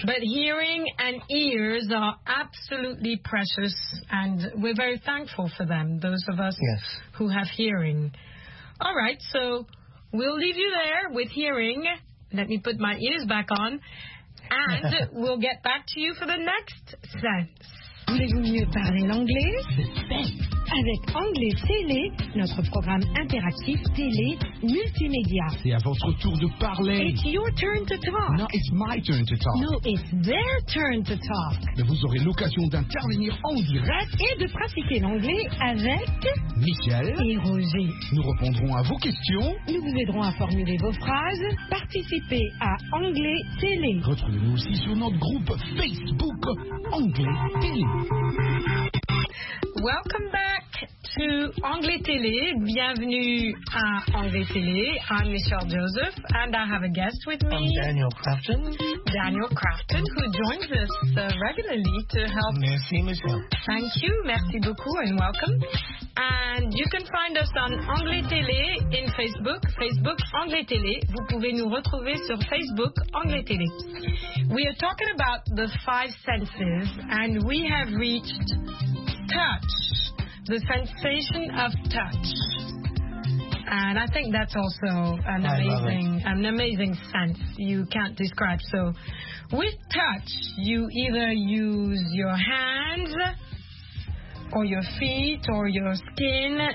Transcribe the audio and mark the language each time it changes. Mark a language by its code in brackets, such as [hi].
[en] But hearing and ears are absolutely precious, and we're very thankful for them, those of us yes. who have hearing. All right, so we'll leave you there with hearing. Let me put my ears back on, and we'll get back to you for the next sense. [fr] Voulez-vous mieux parler l'anglais? Avec Anglais Télé, notre programme interactif télé multimédia. C'est à votre tour de parler. [en] It's your turn to talk. No, it's my turn to talk. No, it's their turn to talk. [fr] Mais vous aurez l'occasion d'intervenir en direct et de pratiquer l'anglais avec Michel et Roger. Nous répondrons à vos questions. Nous vous aiderons à formuler vos phrases. Participez à Anglais Télé. Retrouvez-nous aussi sur notre groupe Facebook Anglais Télé. [en] Welcome back to Anglais Télé. [fr] Bienvenue à Anglais Télé. [en] I'm Michelle Joseph, and I have a guest with me. I'm Daniel Crafton. Daniel Crafton, who joins us regularly to help. [fr] Merci, Michelle. [en] Thank you. [fr] Merci beaucoup, [en] and welcome. And you can find us on Anglais Télé in Facebook, Facebook Anglais Télé. [fr] Vous pouvez nous retrouver sur Facebook Anglais Télé. [en] We are talking about the five senses, and we have reached touch, the sensation of touch. And I think that's also an amazing sense you can't describe. So with touch, you either use your hands or your feet or your skin.